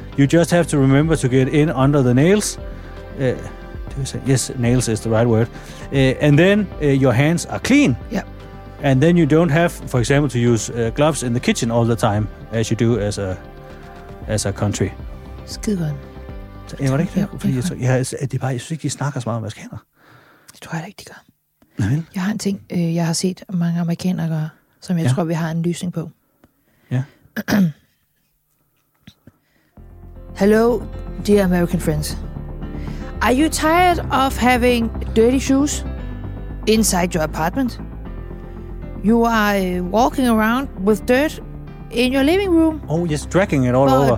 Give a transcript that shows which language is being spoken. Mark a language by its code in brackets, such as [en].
[en] You just have to remember to get in under the nails. Nails is the right word. And then your hands are clean. Yep. And then you don't have, for example, to use gloves in the kitchen all the time as you do as a country. [da] Skidegodt. Jeg var ikke det, fordi jeg tror, at det bare, jeg synes ikke, de snakker så meget om amerikanere. Det tror jeg ikke, de gør. Nej. Jeg har en ting, jeg har set mange amerikanere gøre, som jeg tror, vi har en lysning på. Ja. [en] Hello, dear American friends. Are you tired of having dirty shoes inside your apartment? You are walking around with dirt in your living room. Oh, just dragging it all over.